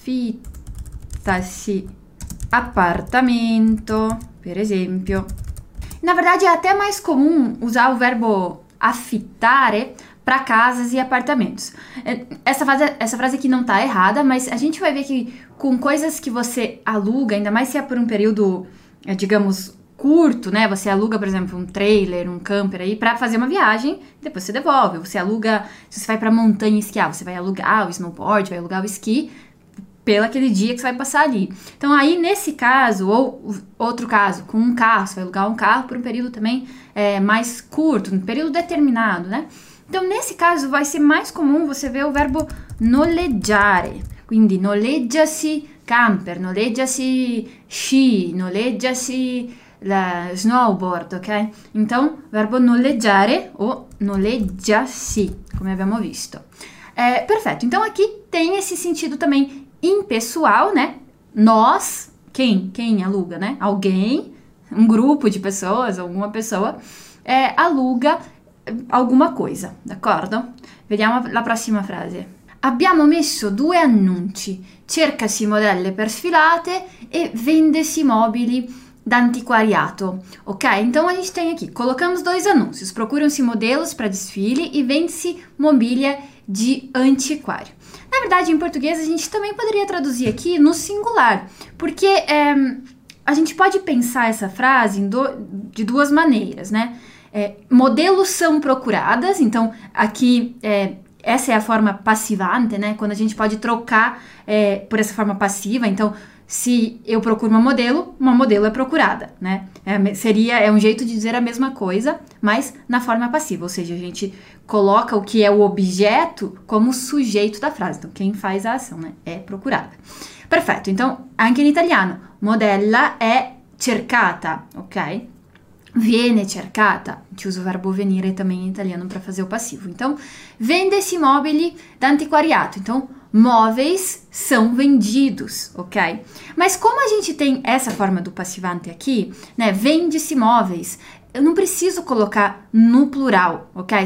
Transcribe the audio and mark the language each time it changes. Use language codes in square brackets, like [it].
[it] affittasi appartamento, per esempio. [pt] Na verdade, é até mais comum usar o verbo affittare para casas e apartamentos. Essa frase aqui não tá errada, mas a gente vai ver que com coisas que você aluga, ainda mais se é por um período, digamos, curto, né? Você aluga, por exemplo, um trailer, um camper aí para fazer uma viagem, depois você devolve. Você aluga, se você vai para montanha esquiar, você vai alugar o snowboard, vai alugar o esqui pelo aquele dia que você vai passar ali. Então aí nesse caso ou outro caso, com um carro, você vai alugar um carro por um período também mais curto, um período determinado, né? Então, nesse caso, vai ser mais comum você ver o verbo noleggiare. [it] Quindi, noleggiasi camper, noleggiasi sci, noleggiasi snowboard, ok? [pt] Então, verbo noleggiare o noleggiasi, [it] come abbiamo visto. Perfetto. [pt] Então, aqui tem esse sentido também impessoal, né? Nós, quem? Quem aluga, né? Alguém, um grupo de pessoas, alguma pessoa, aluga alguma coisa, [it] d'accordo? Vediamo la prossima frase. Abbiamo messo due annunci. Cercasi modelle per sfilate e vendesi mobili d'antiquariato. Ok? [pt] Então a gente tem aqui: colocamos dois anúncios. Procuram-se modelos para desfile e vende-se mobília de antiquário. Na verdade, em português, a gente também poderia traduzir aqui no singular, porque a gente pode pensar essa frase de duas maneiras, né? Modelos são procuradas, então aqui essa é a forma passivante, né? Quando a gente pode trocar por essa forma passiva. Então, se eu procuro uma modelo é procurada, né? É um jeito de dizer a mesma coisa, mas na forma passiva, ou seja, a gente coloca o que é o objeto como sujeito da frase. Então, quem faz a ação, né? É procurada. Perfeito. Então, [it] anche in italiano, modella è cercata, ok? Viene cercata, [pt] ci uso o verbo venire também em italiano para fazer o passivo. Então, vende-se [it] mobili d'antiquariato. [pt] Então, móveis são vendidos, ok? Mas como a gente tem essa forma do passivante aqui, né? Vende-se móveis, eu não preciso colocar no plural, ok?